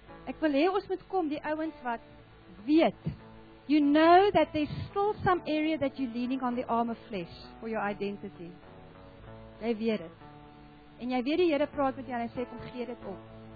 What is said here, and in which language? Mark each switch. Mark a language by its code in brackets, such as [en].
[af] Ek wil hê ons moet kom, die ouens wat weet. [en] You know that there's still some area that you're leaning on the arm of flesh for your identity. [af] Jy weet dit. En jy weet die Here praat met jou en hy sê, kom gee dit op.